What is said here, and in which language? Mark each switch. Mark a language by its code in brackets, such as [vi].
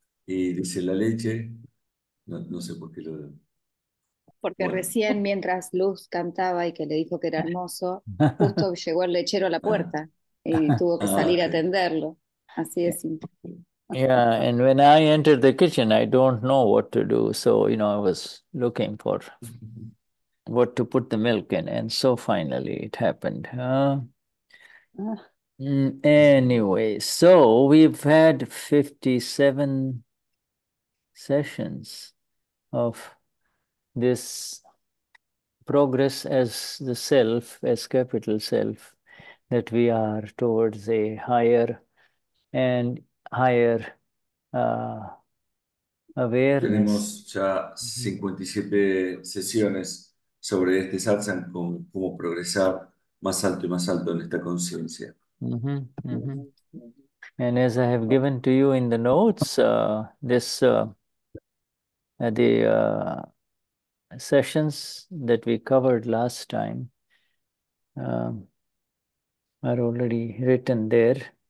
[es] Y dice la leche, no, no sé por qué lo... Porque bueno. Recién mientras Luz cantaba y que le dijo que era hermoso, justo llegó el lechero a la puerta y tuvo que salir a atenderlo. Así de simple. [en] Yeah, and when I entered the kitchen, I don't know what to do. So, you know, I was looking for what to put the milk in. And so finally it happened. Anyway, so we've had 57 sessions of this progress as the self, as capital self, that we are towards a higher and higher awareness. [es] Tenemos ya 57 sesiones sobre este satsang, cómo progresar más alto y más alto en esta conciencia. [en] And as I have given to you in the notes, the sessions that we covered last time are already written there.